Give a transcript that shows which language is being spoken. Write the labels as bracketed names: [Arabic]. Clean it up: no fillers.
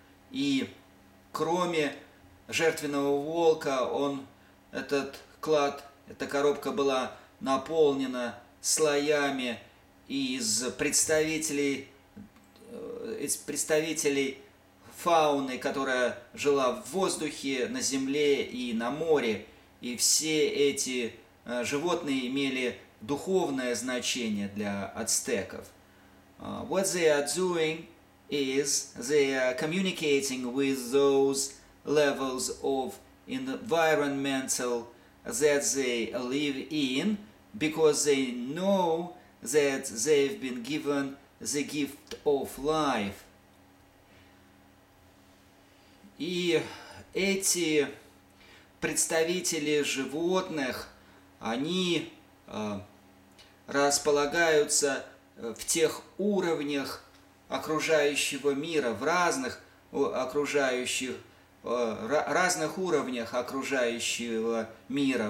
[Russian] И кроме жертвенного волка, эта коробка была наполнена слоями из представителей фауны, которая жила в воздухе, на земле и на море. И все эти животные имели духовное значение для ацтеков. [English] What they are doing is they are communicating with those levels of environmental that they live in, because they know that they've been given the gift of life. [Russian] И эти представители животных, они располагаются в тех уровнях окружающего мира, в разных окружающих, разных уровнях окружающего мира.